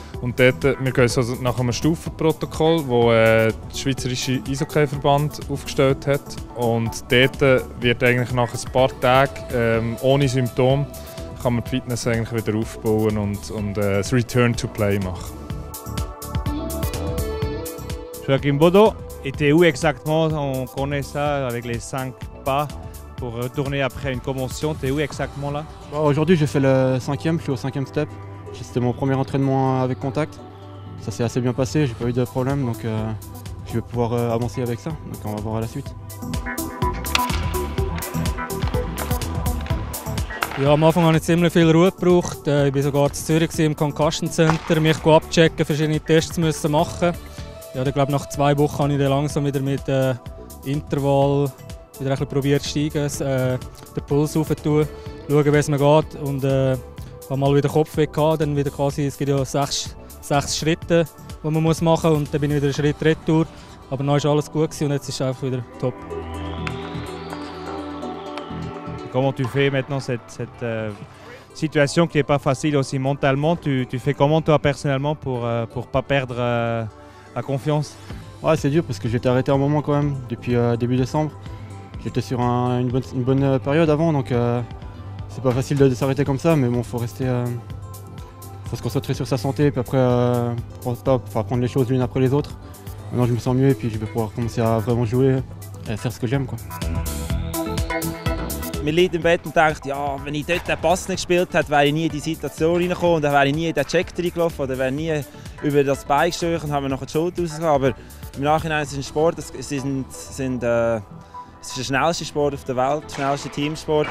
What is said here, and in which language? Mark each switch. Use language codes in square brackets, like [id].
[de] Und dort, wir gehen also nach einem Stufenprotokoll, das der Schweizerische Eishockey-Verband aufgestellt hat. Und dort wird eigentlich nach ein paar Tagen ohne Symptome kann man die Fitness eigentlich wieder aufbauen und das Return to Play machen. [fr] Joachim Baudot, il était où exactement? On connaît ça avec les 5 pas pour retourner après une commotion. T'es où exactement là? Bon, aujourd'hui, j'ai fait le 5e, je suis au 5e step. C'était mon premier entraînement avec contact. Ça s'est assez bien passé, j'ai pas eu de problème, donc je vais pouvoir avancer avec ça. Donc on va voir à la suite. [de] Ja, am Anfang habe ich ziemlich viel Ruhe gebraucht. Ich war sogar in Zürich im Concussion Center, mich abchecken, verschiedene Tests müssen machen. Ja, dann, glaube ich, nach 2 Wochen habe ich dann langsam wieder mit Intervall wieder ein bisschen versucht, steigen, den Puls aufzutun, schauen, wie es mir geht. Und, ich hatte mal wieder Kopfweh, dann wieder quasi, es gibt ja 6 Schritte, die man machen muss. Und dann bin ich wieder einen Schritt retour. Aber dann war alles gut und jetzt ist es einfach wieder top. [fr] Comment tu fais maintenant cette situation qui n'est pas facile aussi mentalement? Tu fais comment toi personnellement pour pas perdre la confiance? Ouais, c'est dur parce que j'étais arrêté un moment quand même, depuis début décembre. J'étais sur une bonne période avant, donc c'est pas facile de s'arrêter comme ça, mais bon, faut se concentrer sur sa santé, puis après prendre les choses l'une après les autres. Maintenant je me sens mieux et puis je vais pouvoir commencer à vraiment jouer et faire ce que j'aime. [de] Man liegt im Bett und denkt, ja, wenn ich dort den Pass nicht gespielt hätte, wäre ich nie in die Situation reingekommen und dann wäre ich nie in den Check reingelaufen oder wäre nie über das Bein gestürzt und habe mir noch die Schulter rausgekommen. Aber im Nachhinein ist es ein Sport, es ist der schnellste Sport auf der Welt, der schnellste Teamsport.